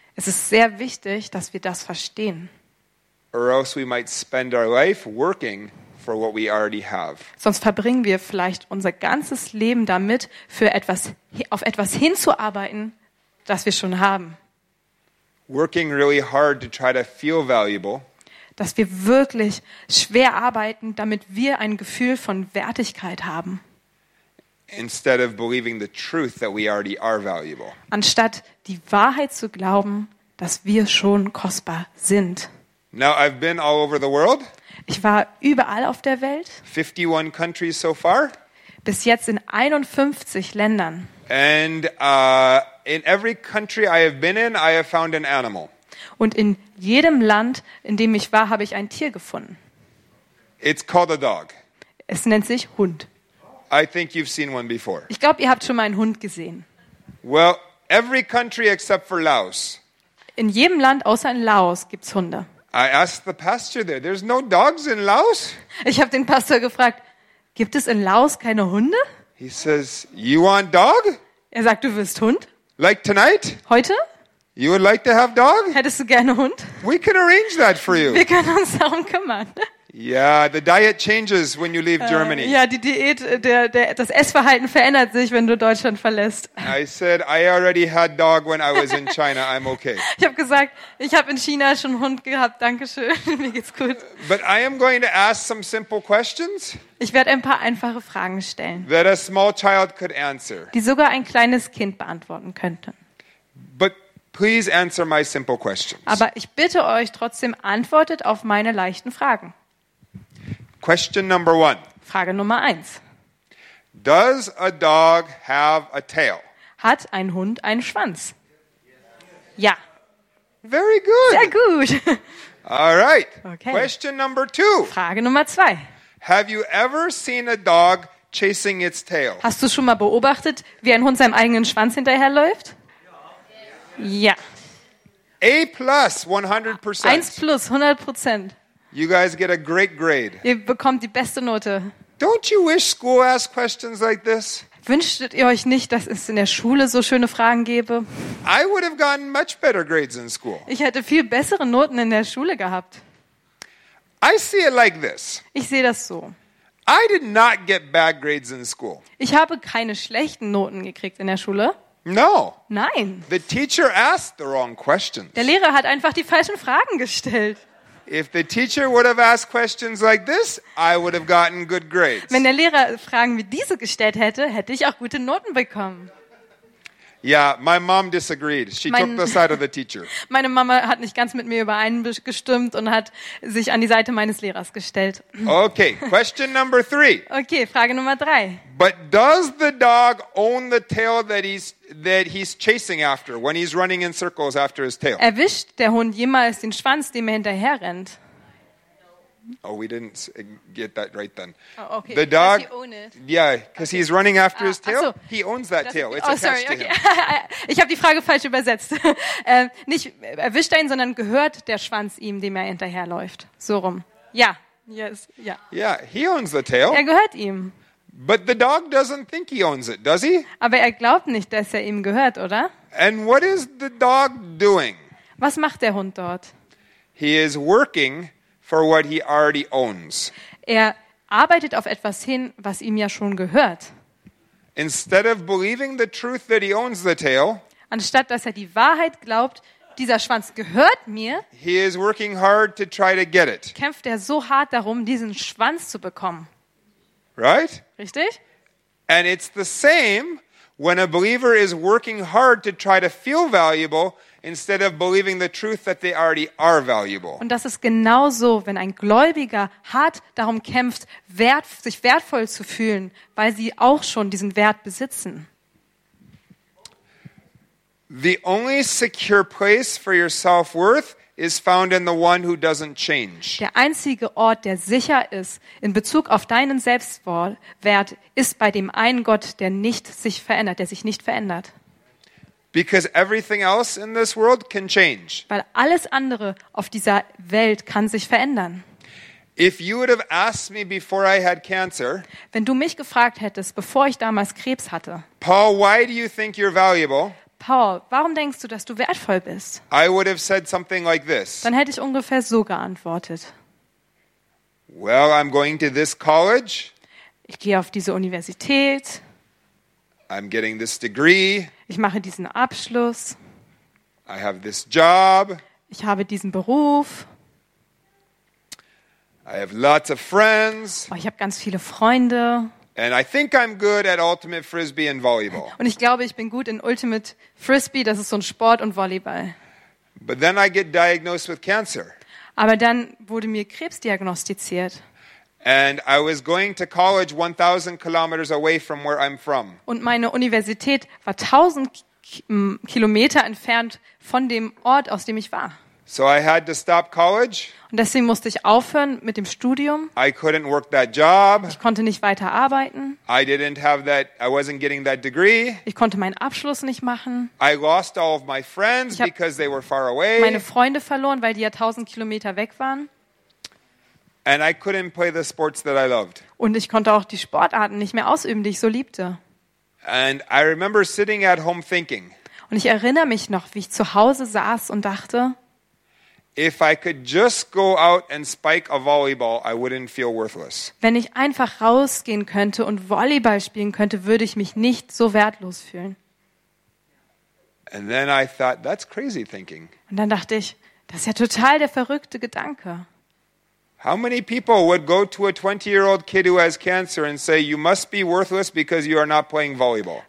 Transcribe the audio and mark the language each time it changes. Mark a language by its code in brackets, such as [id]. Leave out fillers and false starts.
[de] Es ist sehr wichtig, dass wir das verstehen. [en] Or else we might spend our life working for what we already have. [de] Sonst verbringen wir vielleicht unser ganzes Leben damit, für etwas, auf etwas hinzuarbeiten, das wir schon haben. [en] Working really hard to try to feel valuable. [de] Dass wir wirklich schwer arbeiten, damit wir ein Gefühl von Wertigkeit haben. [en] Instead of believing the truth that we already are valuable. [de] Anstatt die Wahrheit zu glauben, dass wir schon kostbar sind. [en] Now I've been all over the world. [de] Ich war überall auf der Welt. [en] 51 countries so far. [de] Bis jetzt in 51 Ländern. [en] And in every country I have been in, I have found an animal. [de] Und in jedem Land, in dem ich war, habe ich ein Tier gefunden. [en] It's called a dog. [de] Es nennt sich Hund. [en] I think you've seen one before. [de] Ich glaube, ihr habt schon mal einen Hund gesehen. [en] Well, every country except for Laos. [de] In jedem Land außer in Laos gibt's Hunde. [en] I asked the pastor there. There's no dogs in Laos? [de] Ich habe den Pastor gefragt, gibt es in Laos keine Hunde? [en] He says, "You want dog?" [de] Er sagt, du willst Hund? [en] Like tonight? [de] Heute? [en] You would like to have dog? [de] Hättest du gerne Hund? [en] We can arrange that for you. [de] Wir können uns darum kümmern. [en] Yeah, the diet changes when you leave Germany. [de] Ja, die Diät, das Essverhalten verändert sich, wenn du Deutschland verlässt. [en] I said I already had dog when I was in China. I'm okay. [de] Ich habe gesagt, ich habe in China schon Hund gehabt. Dankeschön. Mir geht's gut. [en] But I am going to ask some simple questions. [de] Ich werde ein paar einfache Fragen stellen. [en] That a small child could answer. [de] Die sogar ein kleines Kind beantworten könnte. [en] But please answer my simple questions. [de] Aber ich bitte euch trotzdem, antwortet auf meine leichten Fragen. [en] Question number one. [de] Frage Nummer eins. [en] Does a dog have a tail? [de] Hat ein Hund einen Schwanz? Ja. [en] Very good. [de] Sehr gut. [en] All right. [de] Okay. [en] Question number two. [de] Frage Nummer zwei. [en] Have you ever seen a dog chasing its tail? [de] Hast du schon mal beobachtet, wie ein Hund seinem eigenen Schwanz hinterherläuft? Ja. [en] A plus, 100%. [de] 1 plus, 100%. [en] You guys get a great grade. [de] Ihr bekommt die beste Note. [en] Don't you wish school asked questions like this? [de] Wünschtet ihr euch nicht, dass es in der Schule so schöne Fragen gäbe? [en] I would have gotten much better grades in school. [de] Ich hätte viel bessere Noten in der Schule gehabt. [en] I see it like this. [de] Ich sehe das so. [en] I did not get bad grades in school. [de] Ich habe keine schlechten Noten gekriegt in der Schule. [en] No. [de] Nein. [en] The teacher asked the wrong questions. [de] Der Lehrer hat einfach die falschen Fragen gestellt. [en] If the teacher would have asked questions like this, I would have gotten good grades. [de] Wenn der Lehrer Fragen wie diese gestellt hätte, hätte ich auch gute Noten bekommen. [en] Yeah, my mom disagreed. She took the side of the teacher. [de] Meine Mama hat nicht ganz mit mir übereingestimmt und hat sich an die Seite meines Lehrers gestellt. [en] Okay, question number three. [de] Okay, Frage Nummer drei. [en] But does the dog own the tail that he's chasing after when he's running in circles after his tail? [de] Erwischt der Hund jemals den Schwanz, dem er hinterher rennt? [en] Oh, we didn't get that right then. [de] Oh, okay. [en] The dog, yeah, because he's running after his tail. So. He owns that tail. It's attached to him. [de] Ich habe die Frage falsch übersetzt. Nicht erwischt er ihn, sondern gehört der Schwanz ihm, dem er hinterherläuft. So rum. Ja. [en] Yes. Yeah. Yeah, he owns the tail. [de] Er gehört ihm. [en] But the dog doesn't think he owns it, does he? [de] Aber er glaubt nicht, dass er ihm gehört, oder? [en] And what is the dog doing? [de] Was macht der Hund dort? [en] He is working for what he already owns. [de] Er arbeitet auf etwas hin, was ihm ja schon gehört. [en] Instead of believing the truth that he owns the tail, [de] anstatt dass er die Wahrheit glaubt, dieser Schwanz gehört mir, [en] he is working hard to try to get it. [de] Kämpft er so hart darum, diesen Schwanz zu bekommen. [en] Right? [de] Richtig? [en] And it's the same when a believer is working hard to try to feel valuable instead of believing the truth that they already are valuable. [de] Und das ist genauso, wenn ein Gläubiger hart darum kämpft, sich wertvoll zu fühlen, weil sie auch schon diesen Wert besitzen. [en] The only secure place for your self-worth is found in the one who doesn't change. [de] Der einzige Ort, der sicher ist in Bezug auf deinen Selbstwert, ist bei dem einen Gott, der sich nicht verändert. [en] Because everything else in this world can change. [de] Weil alles andere auf dieser Welt kann sich verändern. [en] If you would have asked me before I had cancer, [de] wenn du mich gefragt hättest, bevor ich damals Krebs hatte, [en] Paul, why do you think you're valuable? [de] Paul, warum denkst du, dass du wertvoll bist? [en] I would have said something like this. [de] Dann hätte ich ungefähr so geantwortet. [en] Well, I'm going to this college. [de] Ich gehe auf diese Universität. [en] I'm getting this degree. [de] Ich mache diesen Abschluss. [en] I have this job. [de] Ich habe diesen Beruf. [en] I have lots of friends. [de] Oh, ich habe ganz viele Freunde. [en] And I think I'm good at ultimate frisbee and volleyball. [de] Und ich glaube, ich bin gut in ultimate frisbee, das ist so ein Sport, und Volleyball. [en] But then I get diagnosed with cancer. [de] Aber dann wurde mir Krebs diagnostiziert. [en] And I was going to college 1000 kilometers away from where I'm from. [de] Und meine Universität war 1000 Kilometer entfernt von dem Ort, aus dem ich war. [en] So I had to stop college. [de] Und deswegen musste ich aufhören mit dem Studium. [en] I couldn't work that job. [de] Ich konnte nicht weiter arbeiten. [en] I didn't have that, I wasn't getting that degree. [de] Ich konnte meinen Abschluss nicht machen. [en] I lost all of my friends because they were far away. [de] Meine Freunde verloren, weil die ja 1000 Kilometer weg waren. [en] And I couldn't play the sports that I loved. [de] Und ich konnte auch die Sportarten nicht mehr ausüben, die ich so liebte. [en] And I remember sitting at home thinking. [de] Und ich erinnere mich noch, wie ich zu Hause saß und dachte, [en] If I could just go out and spike a volleyball, I wouldn't feel worthless. [de] Wenn ich einfach rausgehen könnte und Volleyball spielen könnte, würde ich mich nicht so wertlos fühlen. [en] And then I thought, that's crazy thinking. [de] Und dann dachte ich, das ist ja total der verrückte Gedanke. [en] How many people would go to a 20-year-old kid who has cancer and say, you must be worthless because you are not playing volleyball?